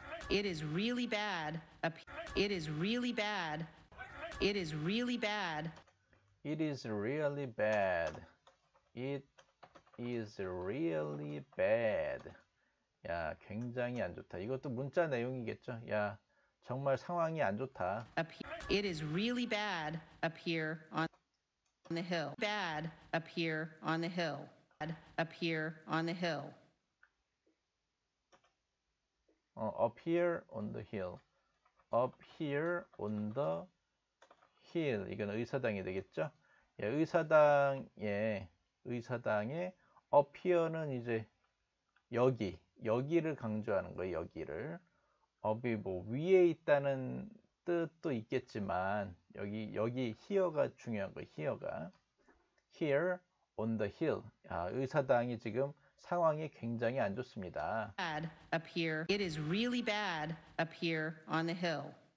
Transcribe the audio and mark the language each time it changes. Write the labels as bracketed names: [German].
[English] It is really bad. It is really bad. It is really bad. It is really bad. It is really bad. [Korean] 야, 굉장히 안 좋다. 이것도 문자 내용이겠죠. 야, 정말 상황이 안 좋다. [English] It is really bad up here on the hill. Bad up here on the hill. Bad up here on the hill. Up here on the hill. Up here on the hill. [Korean] 이건 의사당이 되겠죠? 예, 의사당의 up here는 이제 여기를 강조하는 거예요. 여기를. Up이 뭐 위에 있다는 뜻도 있겠지만 여기 here가 중요한 거예요. Here가. [English] Here on the hill. [Korean] 아, 의사당이 지금 상황이 굉장히 안 좋습니다. [English] Bad up here. It is really bad up here on the hill.